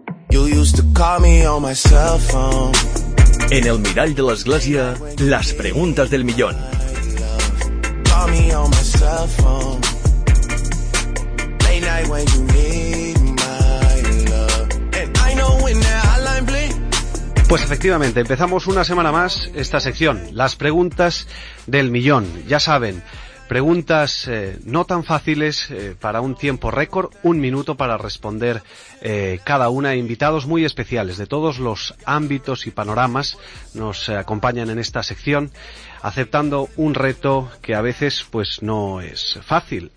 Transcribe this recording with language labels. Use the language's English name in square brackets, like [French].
[English] You used to call me on my cell phone. [Catalan] En el mirall de l'església, les preguntes del millón. [English] Call me on my cell phone. Late night when you need my love. And I know when that hotline bling. [Spanish] Pues efectivamente, empezamos una semana más esta sección, las preguntas del millón. Ya saben, preguntas no tan fáciles para un tiempo récord, un minuto para responder cada una. Invitados muy especiales de todos los ámbitos y panoramas nos acompañan en esta sección, aceptando un reto que a veces pues no es fácil.